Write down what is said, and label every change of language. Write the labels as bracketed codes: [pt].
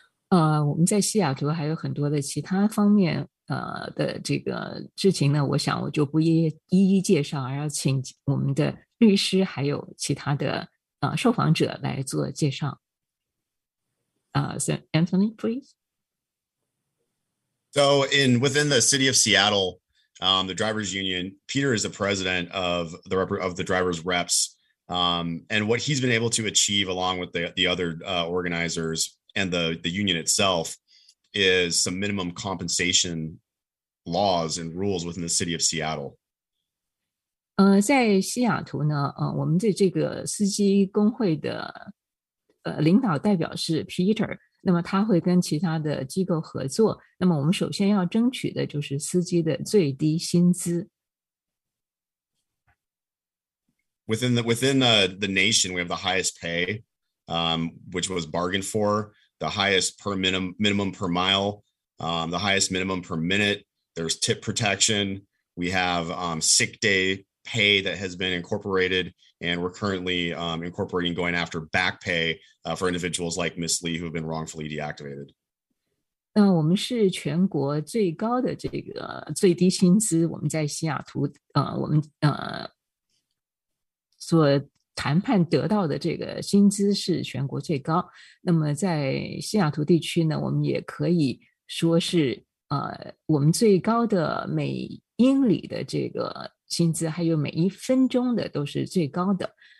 [zh] 我们在西雅图还有很多的其他方面的这个事情呢，我想我就不一一介绍，而要请我们的律师还有其他的受访者来做介绍。 [en] Anthony, please. So within the city of Seattle, the drivers union, Peter is the president of the drivers reps, and what he's been able to achieve along with the other organizers and the union itself is some minimum compensation. Laws and rules within the city of Seattle. [zh] 在西雅图呢，我们的这个司机工会的领导代表是 Peter，那么他会跟其他的机构合作，那么我们首先要争取的就是司机的最低薪资。 [en] Within the nation, we have the highest pay, which was bargained for, the highest per minimum per mile, the highest minimum per minute. There's tip protection. We have sick day pay that has been incorporated, and we're currently incorporating going after back pay for individuals like Ms. Lee who have been wrongfully deactivated. [zh] 那我们是全国最高的这个最低薪资，我们在西雅图我们所谈判得到的这个薪资是全国最高。那么在西雅图地区呢，我们也可以说是我们最高的每英里的这个薪资，还有每一分钟的都是最高的。